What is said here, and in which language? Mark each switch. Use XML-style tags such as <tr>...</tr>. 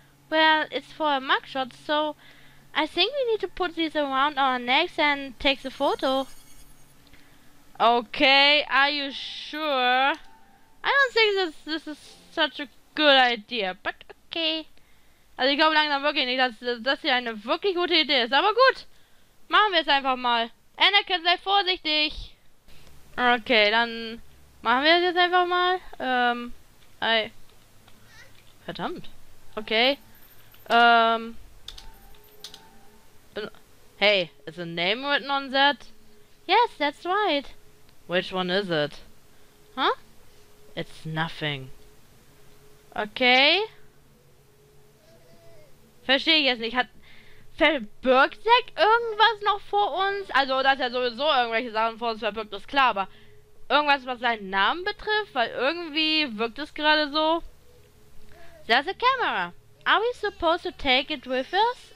<en>Well, it's for a mugshot, so I think we need to put these around our necks and take the photo. Okay, are you sure? I don't think this is such a good idea, but okay.</en> <de>Also ich glaube langsam wirklich nicht, dass das hier eine wirklich gute Idee ist. Aber gut, machen wir es einfach mal. Anakin, sei vorsichtig. Okay, dann machen wir es jetzt einfach mal. Verdammt. Okay.</de> <en>Hey, is a name written on that? Yes, that's right. Which one is it? Huh? It's nothing. Okay.</en> <de>Verstehe ich jetzt nicht. Verbirgt Zack irgendwas noch vor uns? Also, dass er sowieso irgendwelche Sachen vor uns verbirgt, ist klar, aber irgendwas, was seinen Namen betrifft, weil irgendwie wirkt es gerade so.</de> <en>There's a camera. Are we supposed to take it with us?</en>